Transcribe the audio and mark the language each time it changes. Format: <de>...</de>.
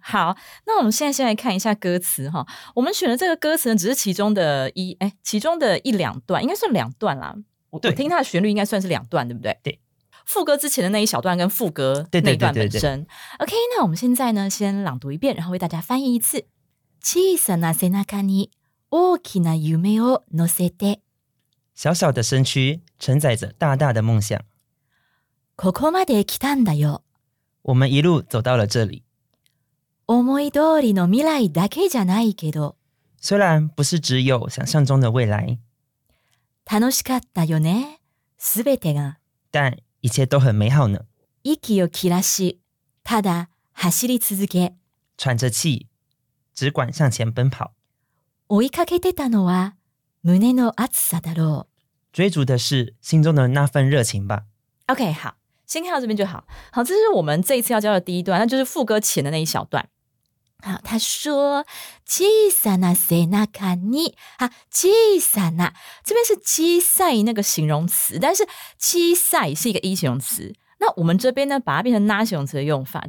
<zh>好，那我们现在先来看一下歌词哈。我们选的这个歌词呢，只是其中的一两段，应该算两段啦。我听它的旋律应该算是两段，对不对？对，副歌之前的那一小段跟副歌那一段本身。OK， 那我们现在呢，先朗读一遍，然后为大家翻译一次。</zh> <ja>小さな背中に大きな夢を乗せて。</ja> <zh>小小的身躯承载着大大的梦想。</zh> <ja>ここまで来たんだよ。</ja> <zh>我们一路走到了这里。</zh> <ja>思い通りの未来だけじゃないけど。</ja> <zh>虽然不是只有想象中的未来。</zh> <ja>楽しかったよね、すべてが。</ja> <zh>但一切都很美好呢。</zh> <ja>息を切らし、ただ走り続け。</ja> <zh>喘着气、只管向前奔跑。</zh> <ja>追いかけてたのは、胸の熱さだろう。</ja> <zh>追逐的是、心中的那份热情吧。 OK, 好。先看到这边就好。好，这是我们这一次要教的第一段、那就是副歌前的那一小段。好，他说</zh> <ja>小さな背中に</ja> <zh>啊，</zh> <ja>小さな</ja> <zh>这边是</zh> <ja>小さい</ja> <zh>那个形容词，但是小さい是一个一形容词，那我们这边呢把它变成那形容词的用法，</zh>